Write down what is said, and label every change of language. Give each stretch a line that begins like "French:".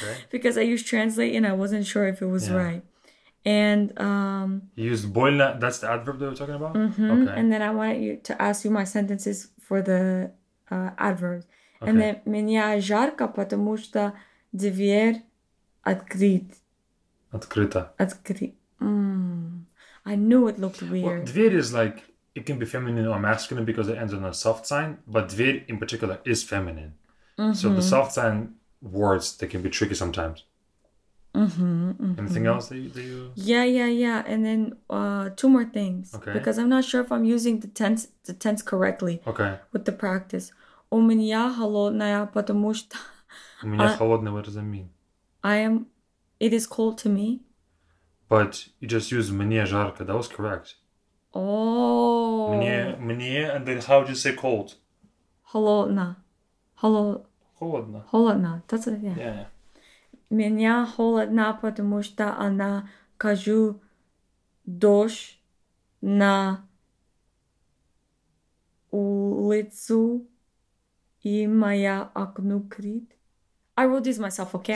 English: Because I used translate and I wasn't sure if it was right. And you used boilna, that's the adverb that we're talking about? Mm-hmm. And then I wanted you to ask you my sentences for the adverb. And then
Russian: меня жарко, потому что дверь открыт. Открыта.
English: Открыт. I knew it looked weird. Well, дверь is like, it can be feminine or masculine because it ends on a soft sign, but дверь in particular is feminine. Mm-hmm. So the soft sign words, they can be tricky sometimes. Anything else that you, Yeah. And then two more things. Okay. Because I'm not sure if I'm using the tense correctly. Okay. With the practice.
Russian: У меня холодная, потому что... У меня холодная,
English: what does that mean? It is cold to me. But you just used
Russian: мне жарко.
English: That was correct. Oh. Мне, and then how would you say cold?
Russian: Холодно. Холодно.
English: That's it, yeah. Yeah.
Russian: Меня холодно, потому что она кажу дождь на улицу. И моя окно крит.
English: I wrote this myself, okay?